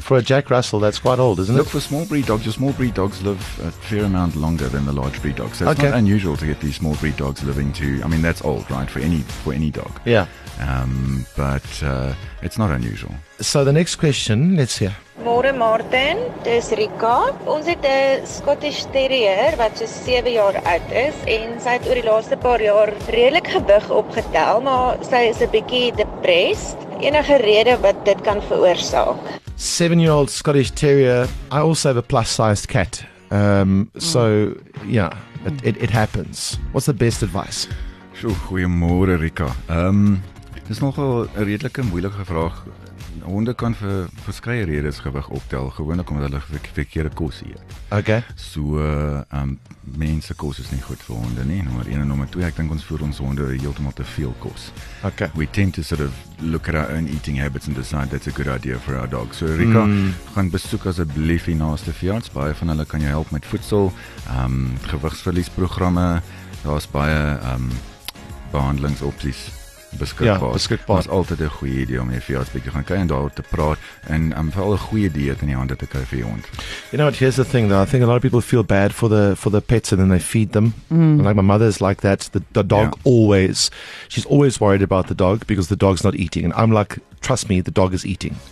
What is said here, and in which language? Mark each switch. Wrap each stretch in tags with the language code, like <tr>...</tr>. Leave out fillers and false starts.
<en>For a Jack Russell, that's quite old, isn't it? Look, for small breed dogs, your small breed dogs live a fair amount longer than the large breed dogs. So it's not unusual to get these small breed dogs living to, I mean, that's old, right, for any dog. Yeah. But it's not unusual. So the next question, let's hear.</en> <af>Môre Martin, dis Rika. Ons het 'n Scottish Terrier wat so 7 jaar oud is en sy het oor die laaste paar jaar redelik gewig opgetel, maar sy is 'n bietjie depressed. Enige rede wat dit kan veroorsaak?</af> <en>7-year-old Scottish Terrier. I also have a plus-sized cat. So yeah, it happens. What's the best advice?</en> <af>Sjoe, goeiemôre Rika. Dis nogal 'n redelike moeilike vraag. Honde kan vir verskeie redes gewig optel, gewoonlik omdat hulle verkeerde kos eet.</af> <en>Okay.</en> <af>So, mense kos is nie goed vir honde nie, nommer 1 en nommer 2, ek dink ons voer ons honde heeltemal te veel kos.</af> <en>Okay. We tend to sort of look at our own eating habits and decide that's a good idea for our dog.</en> <af>So, Rika, gaan besoek asseblief die naaste veearts, baie van hulle kan jou help met voedsel, gewigsverliesprogramme, daar is baie behandelingsopties. Beskikbaar. Is altyd 'n goeie idee om jy vir jou bietjie gaan kyk en daaroor te praat en vir al 'n goeie dieet in die hande te kry vir jou hond.</af> <en>You know what, here's the thing though, I think a lot of people feel bad for the pets and then they feed them. Mm. Like my mother is like that, the dog always, she's always worried about the dog because the dog's not eating and I'm like, trust me, the dog is eating.</en>